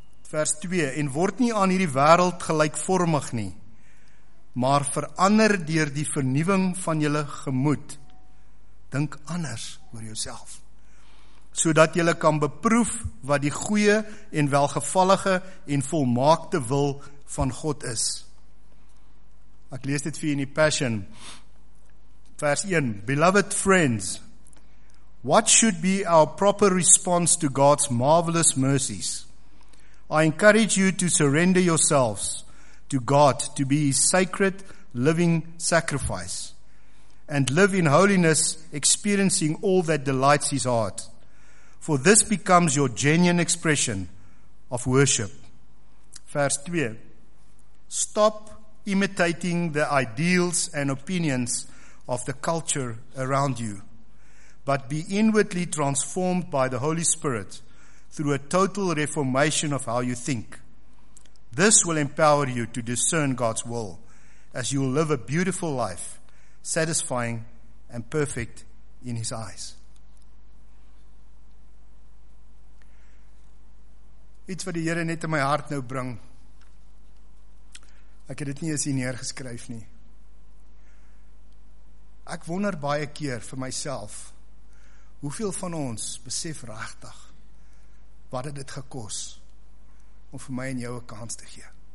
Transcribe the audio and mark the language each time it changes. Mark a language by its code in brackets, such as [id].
[af] Vers 2, en word nie aan hierdie wêreld gelykvormig nie, maar verander deur die vernuwing van julle gemoed. Dink anders oor jouself, sodat julle kan beproef wat die goeie en welgevallige en volmaakte wil van God is. Ek lees dit vir julle in die Passion. [en] Vers 1, beloved friends, what should be our proper response to God's marvelous mercies? I encourage you to surrender yourselves to God to be His sacred living sacrifice and live in holiness, experiencing all that delights His heart. For this becomes your genuine expression of worship. Vers 2. Stop imitating the ideals and opinions of the culture around you, but be inwardly transformed by the Holy Spirit through a total reformation of how you think. This will empower you to discern God's will as you will live a beautiful life, satisfying and perfect in His eyes. [af] Iets wat die Here net in my hart nou bring, ek het dit nie eens hier neergeskryf nie. Ek wonder baie keer vir myself, hoeveel van ons besef regtig wat het dit gekos om vir my en jou 'n kans te gee.